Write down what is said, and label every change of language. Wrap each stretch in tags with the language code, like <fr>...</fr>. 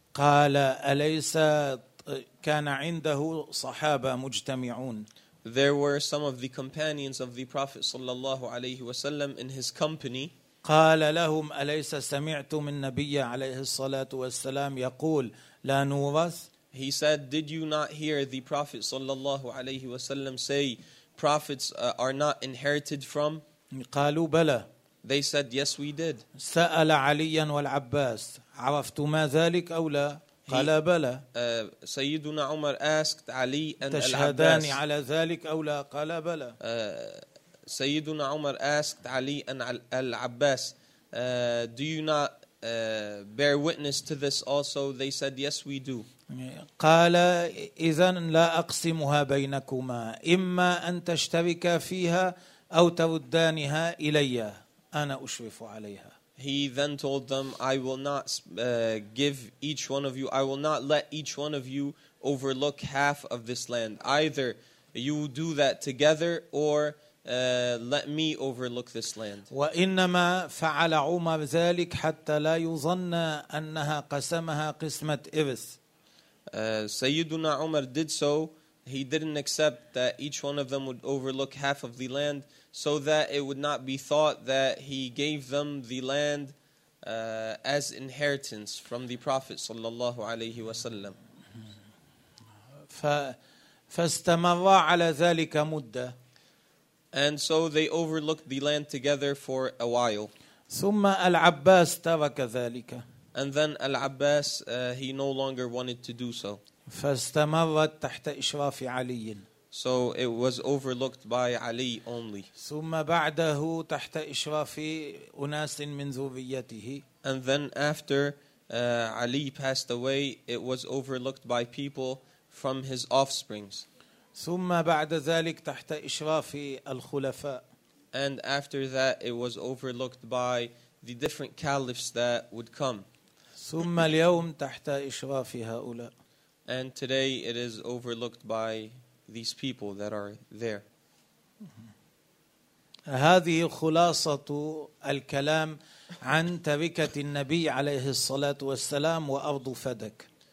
<ar>قال أليس كان عنده صحابة مجتمعون.</ar> <en>There were some of the companions of the Prophet</en> <ar>صلى الله عليه وسلم</ar> <en>in his company.</en> <ar>قال لهم أليس سمعت من النبي عليه الصلاة والسلام يقول لا نورث.</ar> <en>He said, did you not hear the Prophet</en> <ar>صلى الله عليه وسلم</ar> <en>say prophets are not inherited from?</en> <ar>قالوا بلى.</ar> <en>They said, yes, we did.</en> <ar>سأل عليا والعباس عرفتما ذلك أو لا؟ قال بلى. سيدنا عمر</ar> <en>asked Ali and</en> <ar>تشهدان على ذلك أو لا؟ قال بلى. سيدنا عمر</ar> <en>asked Ali and Al-Abbas, do you not bear witness to this also? They said, yes, we do.</en> <ar>قال إذن لا أقسمها بينكما إما أن تشتركا فيها أو تردانها إلي أنا أشرف عليها.</ar> <en>He then told them, I will not give each one of you, I will not let each one of you overlook half of this land. Either you do that together or let me overlook this land.</en> <ar>وإنما فعل عمر ذلك حتى لا يظن أنها قسمها قسمة إرث. سيدنا عمر</ar> <en>did so. He didn't accept that each one of them would overlook half of the land so that it would not be thought that he gave them the land as inheritance from the Prophet</en> <ar>صلى الله عليه وسلم. فاستمر على ذلك مدة.</ar> <en>And so they overlooked the land together for a while.</en> <ar>ثم العباس ترك ذلك.</ar> <en>And then العباس he no longer wanted to do so.</en> <ar>فاستمرت تحت إشراف علي.</ar> <en>So it was overlooked by Ali only.</en> <ar>ثم بعده تحت إشراف أناس من ذريته.</ar> <en>And then after Ali passed away, it was overlooked by people from his offsprings.</en> <ar>ثم بعد ذلك تحت إشراف الخلفاء.</ar> <en>And after that, it was overlooked by the different caliphs that would come.</en> <ar>ثم اليوم تحت إشراف هؤلاء.</ar> <en>And today it is overlooked by these people that are there.</en> <ar>هذه خلاصة الكلام عن تركة النبي عليه الصلاة والسلام وأرض فدك.</ar>